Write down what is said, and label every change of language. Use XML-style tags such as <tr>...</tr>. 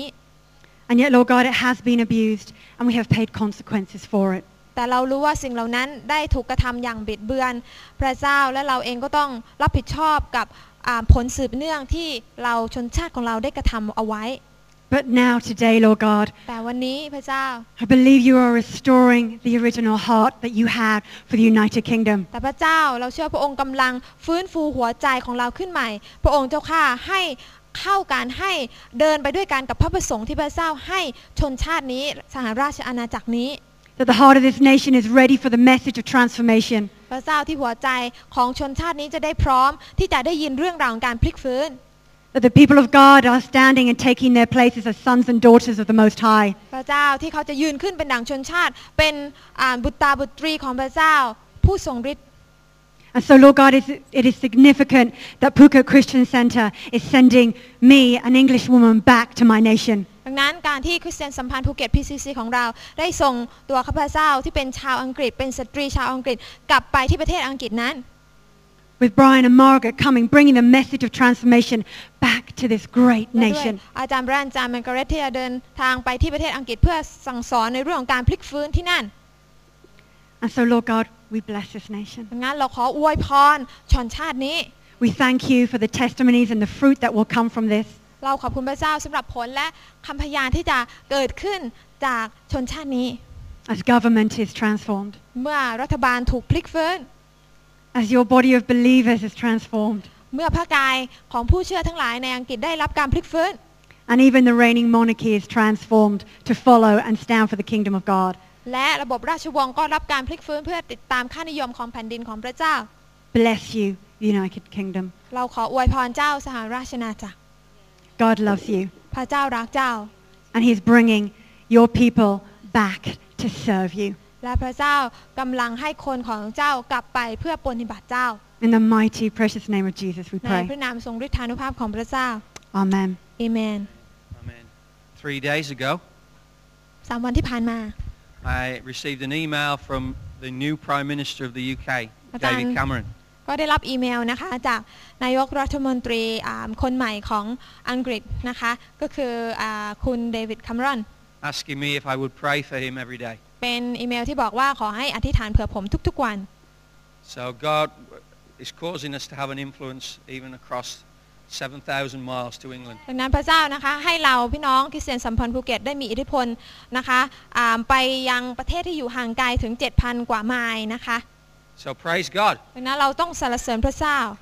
<en>And yet Lord God it has been abused and we have paid consequences for it</en> <th>แต่เรารู้ว่าสิ่งเหล่านั้นได้ถูกกระทำอย่างบิดเบือนพระเจ้าและเราเองก็ต้องรับผิดชอบกับผลสืบเนื่องที่เราชนชาติของเราได้กระทำเอาไว้</th> <en>But now today Lord God</en> <th>แต่วันนี้พระเจ้า</th> <en>I believe you are restoring the original heart that you had for the United Kingdom</en> <th>แต่พระเจ้าเราเชื่อพระองค์กำลังฟื้นฟูหัวใจของเราขึ้นใหม่พระองค์เจ้าค่ะให้เข้ากันให้เดินไปด้วยกันกับพระประสงค์ที่พระเจ้าให้ชนชาตินี้สหราชอาณาจักรนี้</th> <en>That the heart of this nation is ready for the message of transformation</en> <th>พระเจ้าที่หัวใจของชนชาตินี้จะได้พร้อมที่จะได้ยินเรื่องราวของการพลิกฟื้น</th> <en>That the people of God are standing and taking their places as sons and daughters of the Most High.</en> <th>พระเจ้าที่เขาจะยืนขึ้นเป็นดังชนชาติเป็นบุตรบุตรีของพระเจ้าผู้ทรงฤทธิ์</th> <en>And so, Lord God, it is significant that Phuket Christian Center is sending me, an English woman, back to my nation.</en> <th>ดังนั้นการที่คริสเตียนสัมพันธ์ภูเก็ต PCC ของเราได้ส่งตัวข้าพเจ้าที่เป็นชาวอังกฤษเป็นสตรีชาวอังกฤษกลับไปที่ประเทศอังกฤษนั้น</th> <en>with Brian and Margaret coming, bringing the message of transformation back to this great nation.</en> <th>อาจารย์ Brian อาจารย์ Margaret เดินทางไปที่ประเทศอังกฤษเพื่อสั่งสอนในเรื่องการพลิกฟื้นที่นั่น</th> <en>And so Lord God, we bless this nation.</en> <th>งั้นเราขออวยพรชนชาตินี้</th> <en>We thank you for the testimonies and the fruit that will come from this.</en> <th>เราขอบคุณพระเจ้าสำหรับผลและคำพยานที่จะเกิดขึ้นจากชนชาตินี้</th> <en>As government is transformed.</en> <th>เมื่อรัฐบาลถูกพลิกฟื้น</th> <en>As your body of believers is transformed.</en> <th>เมื่อพระกายของผู้เชื่อทั้งหลายในอังกฤษได้รับการพลิกฟื้น</th> <en>And even the reigning monarchy is transformed to follow and stand for the kingdom of God.</en> <th>และระบบราชวงศ์ก็รับการพลิกฟื้นเพื่อติดตามค่านิยมของแผ่นดินของพระเจ้า</th> <en>Bless you, United Kingdom.</en> <th>เราขออวยพรเจ้าสหราชอาณาจักร</th> <en>God loves you.</en> <th>พระเจ้ารักเจ้า</th> <en>And he's bringing your people back. To serve you.</en> <th>และพระเจ้ากำลังให้คนของเจ้ากลับไปเพื่อปฏิบัติเจ้า</th> <en>In the mighty, precious name of Jesus, we pray.</en> <th>ในพระนามทรงฤทธานุภาพของพระเจ้า</th> <en>Amen. Amen. Amen. 3 days ago.</en> <th>3 วันที่ผ่านมา</th> <en>I received an email from the new Prime Minister of the UK, David Cameron.</en> <th>ก็ได้รับอีเมลนะคะจากนายกรัฐมนตรีคนใหม่ของอังกฤษนะคะก็คือคุณเดวิดคัมเมอรอน</th> <en>Asking me if I would pray for him every day.</en> <th>เป็นอีเมลที่บอกว่าขอให้อธิษฐานเพื่อผมทุกๆวัน</th> <en>So God is causing us to have an influence even across 7,000 miles to England.</en> <th>ดังนั้นพระเจ้านะคะให้เราพี่น้องคริสเตียนสัมพันธ์ภูเก็ตได้มีอิทธิพลนะคะไปยังประเทศที่อยู่ห่างไกลถึง 7,000 กว่าไมล์นะคะ</th> <en>So praise God.</en> <th>ดังนั้นเราต้องสรรเสริญพระเจ้า</th>